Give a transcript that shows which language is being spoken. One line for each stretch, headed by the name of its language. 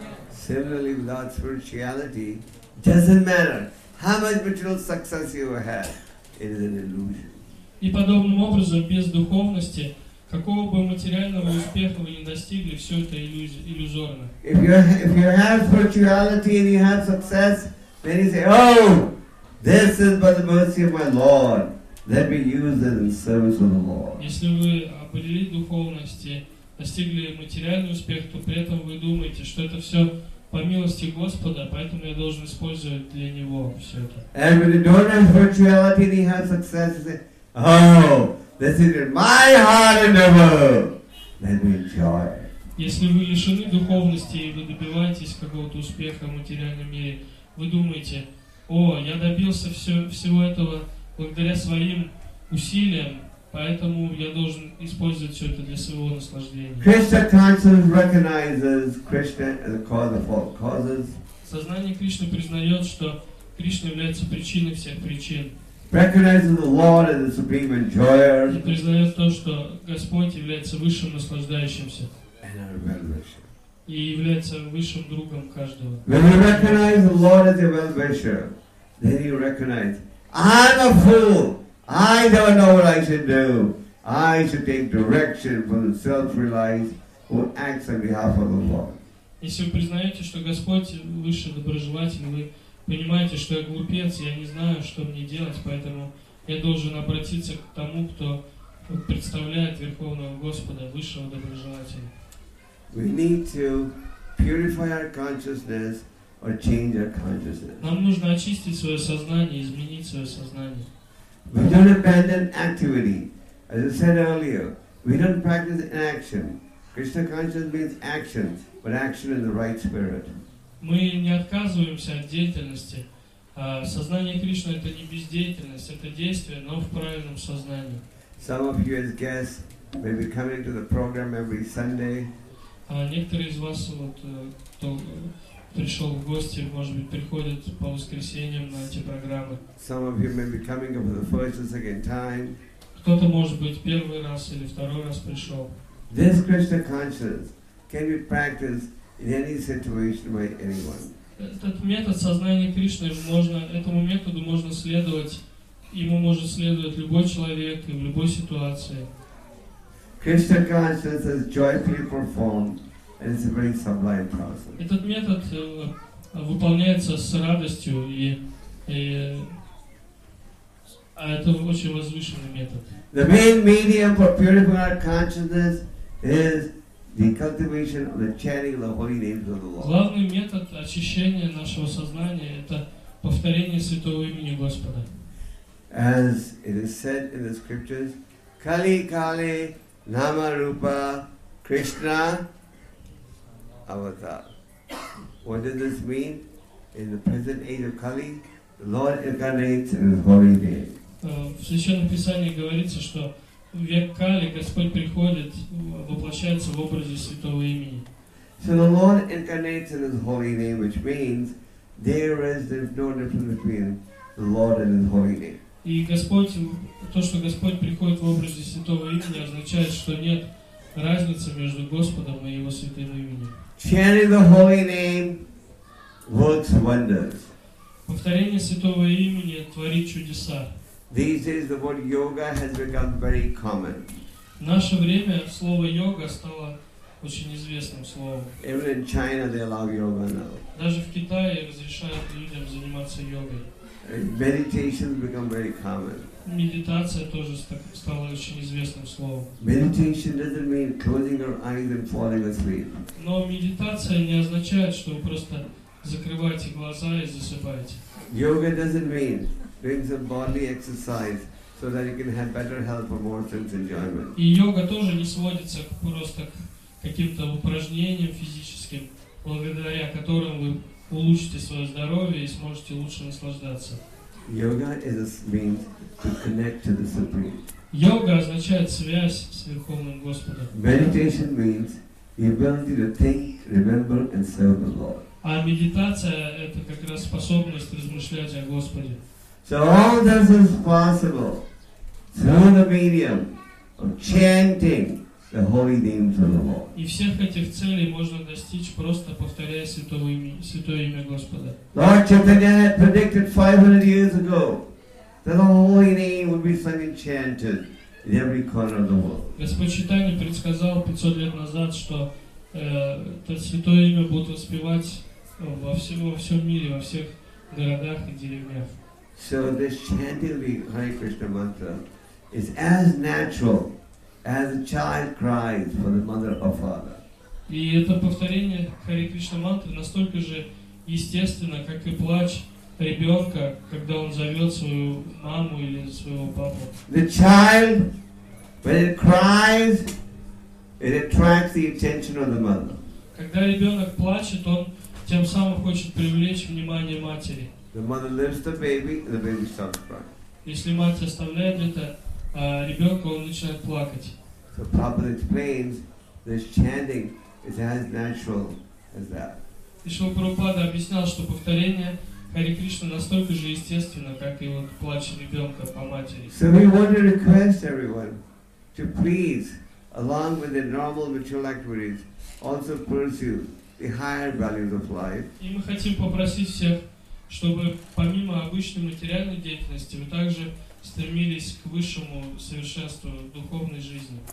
English: Similarly, without spirituality, doesn't matter how much material success you have, it is an illusion.
Russian: И подобным образом, без духовности, какого бы материального успеха вы не достигли, все это иллюзорно.
English: If you have spirituality and you have success, then you say, oh, this is by the mercy of my Lord. Let me use it in service of the Lord.
Russian: Если вы обрели духовность и достигли материальный успех, то при этом вы думаете, что это все по милости Господа, поэтому я должен использовать для Него все это.
English: And when you don't have spirituality and you have success, you say, oh, this is in my heart endeavor. Let me enjoy it.
Russian: Если вы лишены духовности и вы добиваетесь какого-то успеха в материальном мире, вы думаете, о, я добился всего этого благодаря своим усилиям, поэтому я должен использовать все это для своего наслаждения.
English: Krishna consciousness recognizes Krishna as the cause of all causes.
Russian: Сознание Кришны признает, что Кришна является причиной всех причин.
English: Recognizes the Lord as the supreme enjoyer.
Russian: И признает то, что Господь является высшим наслаждающимся.
English: And our well-wisher.
Russian: И является высшим другом каждого.
English: When you recognize the Lord as your well-wisher, then you recognize, I'm a fool. I don't know what I should do. I should take direction from the self-realized who acts on behalf of the Lord.
Russian: Если вы признаете, что Господь высший доброжелатель, вы понимаете, что я глупец, я не знаю, что мне делать, поэтому я должен обратиться к тому, кто представляет Верховного Господа, Высшего Доброжелателя.
English: We need to purify our consciousness or change our consciousness.
Russian: Нам нужно очистить свое сознание, изменить свое сознание.
English: We don't abandon activity. As I said earlier, we don't practice inaction. Krishna consciousness means action, but action in the right spirit.
Russian: Мы не отказываемся от деятельности. Сознание Кришны — это не бездеятельность, это действие, но в правильном сознании.
English: Some of you as guests may be coming to the program every Sunday.
Russian: Некоторые из вас, вот, кто пришел в гости, может быть, приходят по воскресеньям на эти программы.
English: Some of you may be coming for the first or second time.
Russian: Кто-то, может быть, первый раз или второй раз пришел.
English: This Krishna consciousness can be practiced in any situation by anyone.
Russian: Этот метод сознания Кришны можно, этому методу можно следовать, ему может следовать любой человек и в любой ситуации.
English: Krishna consciousness is joyfully performed and it's a very sublime process.
Russian: Этот метод выполняется с радостью и это очень возвышенный метод.
English: The main medium for purifying our consciousness is the cultivation of the chanting of the holy names of the Lord.
Russian: Главный метод очищения нашего сознания – это повторение святого имени Господа.
English: As it is said in the scriptures,
Bangla: Kali Kali Nama Rupa Krishna Avatar.
English: What does this mean? In the present age of Kali, the Lord incarnates in His holy name.
Russian: В Священном Писании говорится, что в век Кали Господь приходит, воплощается в образе Святого Имени.
English: So the Lord incarnates in His holy name, which means there is no difference between the Lord and His holy name.
Russian: И Господь, то, что Господь приходит в образе Святого Имени, означает, что нет разницы между Господом и Его Святым Именем.
English: Chanting the holy name works wonders.
Russian: Повторение Святого Имени творит чудеса.
English: These days the word yoga has become very common.
Russian: В наше время слово йога стало очень известным словом.
English: Even in China they allow yoga now.
Russian: Даже в Китае разрешают людям заниматься йогой.
English: Meditation has become very common.
Russian: Медитация тоже стала очень известным словом.
English: Meditation doesn't mean closing your eyes and falling asleep.
Russian: Но медитация не означает, что вы просто закрываете глаза и засыпаете.
English: Yoga doesn't mean doing some bodily exercise so that you can have better health or more sense enjoyment.
Russian: И йога тоже не сводится просто к каким-то упражнениям физическим, благодаря которым вы улучшите свое здоровье и сможете лучше наслаждаться.
English: Yoga is a means to connect to the Supreme.
Russian: Йога означает связь с Верховным Господом.
English: Meditation means the ability to think, remember, and serve the Lord.
Russian: А медитация – это как раз способность размышлять о Господе.
English: So all this is possible through the medium of chanting the holy names of the Lord.
Russian: И всех этих целей можно достичь, просто повторяя святое имя Господа.
English: Lord Chaitanya predicted 500 years ago that the holy name would be sung and chanted in every corner of the world.
Russian: Господь Чайтанья предсказал 500 лет назад, что это святое имя будут воспевать во всем мире, во всех городах и деревнях.
English: So this chanting the Hare Krishna mantra is as natural as a child cries for the mother or father.
Russian: И это повторение Хари Кришна мантры настолько же естественно, как и плач ребенка, когда он зовет свою маму или своего папу.
English: The child, when it cries, it attracts the attention of the mother.
Russian: Когда ребенок плачет, он тем самым хочет привлечь внимание матери.
English: The mother lifts the baby, and the baby stops crying.
Russian: Если мать оставляет это ребенка, он начинает плакать.
English: So Prabhupada explains this chanting is as natural as that.
Russian: И Шрила Прабхупада объяснял, что повторение Хари Кришна настолько же естественно, как и вот плач ребенка по матери.
English: So we want to request everyone to please, along with their normal material activities, also pursue the higher values of life.
Russian: И мы хотим попросить всех, чтобы помимо обычной материальной деятельности вы также стремились к высшему совершенству духовной жизни.